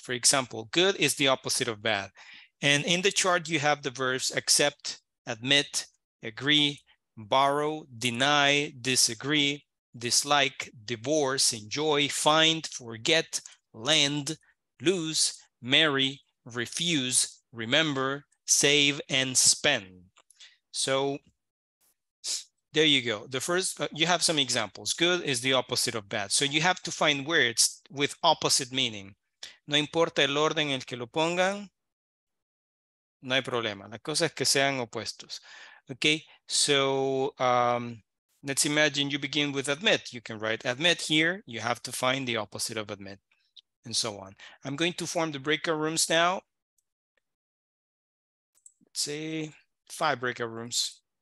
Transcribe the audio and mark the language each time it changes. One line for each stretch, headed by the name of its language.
English: For example, good is the opposite of bad. And in the chart, you have the verbs accept, admit, agree, borrow, deny, disagree, dislike, divorce, enjoy, find, forget, lend, lose, marry, refuse, remember, save, and spend. So, there you go. The first, you have some examples. Good is the opposite of bad. So you have to find words with opposite meaning.
Spanish: No importa el orden en el que lo pongan, no hay problema. La cosa es que sean opuestos.
English: Okay, so let's imagine you begin with admit. You can write admit here. You have to find the opposite of admit and so on. I'm going to form the breakout rooms now. Let's say five breakout rooms.